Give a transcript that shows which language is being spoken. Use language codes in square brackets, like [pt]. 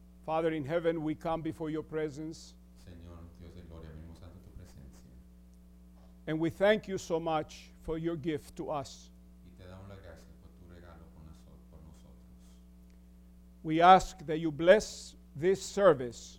[en] Father in heaven, we come before your presence. [es] Señor, Dios de gloria, venimos ante tu presencia. [en] And we thank you so much for your gift to us. [es] Y te damos la gracia por tu regalo por nosotros. [en] We ask that you bless this service.